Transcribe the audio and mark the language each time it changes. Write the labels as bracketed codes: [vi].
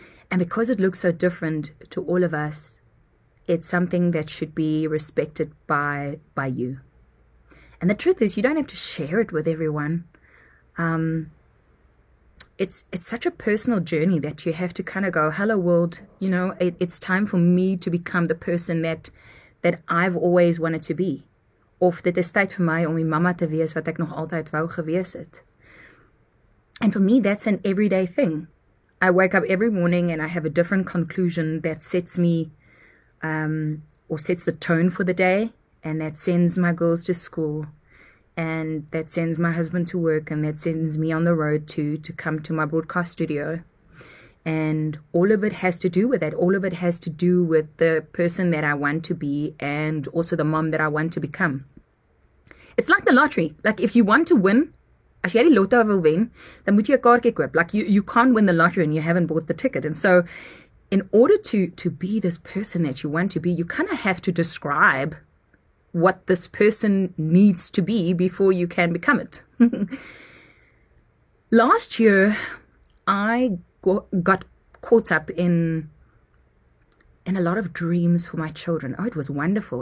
[en] And because it looks so different to all of us, it's something that should be respected by you. And the truth is, you don't have to share it with everyone. It's such a personal journey that you have to kind of go, hello world, you know, it's time for me to become the person that I've always wanted to be. [af] Of dit is tyd vir my om die mama te wees wat ek nog altyd wou gewees het. [en] And for me, that's an everyday thing. I wake up every morning and I have a different conclusion that sets me, or sets the tone for the day, and that sends my girls to school. And that sends my husband to work, and that sends me on the road to come to my broadcast studio. And all of it has to do with that. All of it has to do with the person that I want to be, and also the mom that I want to become. It's like the lottery. Like, if you want to win, [af] as jy die lotto wil wen, dan moet jy 'n kaartjie koop. [en] Like, you can't win the lottery and you haven't bought the ticket. And so in order to be this person that you want to be, you kind of have to describe what this person needs to be before you can become it. Last year, I got caught up in a lot of dreams for my children. Oh, it was wonderful.